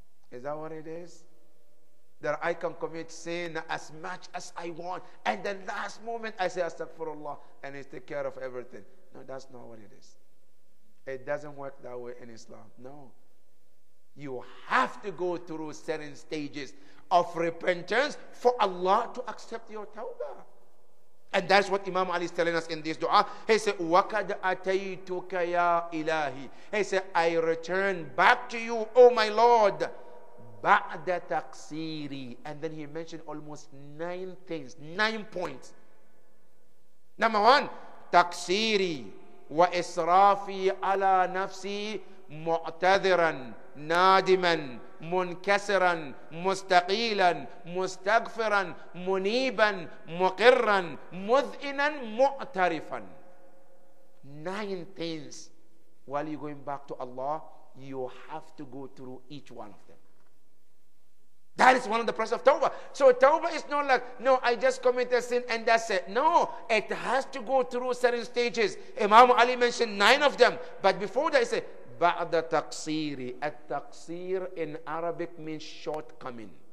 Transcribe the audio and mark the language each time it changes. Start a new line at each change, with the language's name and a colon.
English: Is that what it is? That I can commit sin as much as I want, and the last moment I say Astaghfirullah and he take care of everything. No, that's not what it is. It doesn't work that way in Islam. No. You have to go through certain stages of repentance for Allah to accept your tawbah. And that's what Imam Ali is telling us in this dua. He said,
Arabic: وَكَدْ أَتَيْتُكَ يَا إِلَهِ.
English: He said, I return back to you, O my Lord.
Arabic: بعد تقصيري.
English: And then he mentioned almost nine points. Number one,
Arabic: تقصيري وإسرافي على نفسي معتذرا نادما منكسرا مستقيلا مستغفرا منيبا مقرا مذئنا معترفا.
English: Nine things while you're going back to Allah. you have to go through each one of them. That is one of the process of Tawbah. So Tawbah is not like, no, I just committed sin and that's it. No, it has to go through certain stages. Imam Ali mentioned 9 of them. But before that, he said,
Arabic: Ba'da taqsiri.
English: At-taqsir in Arabic means shortcoming.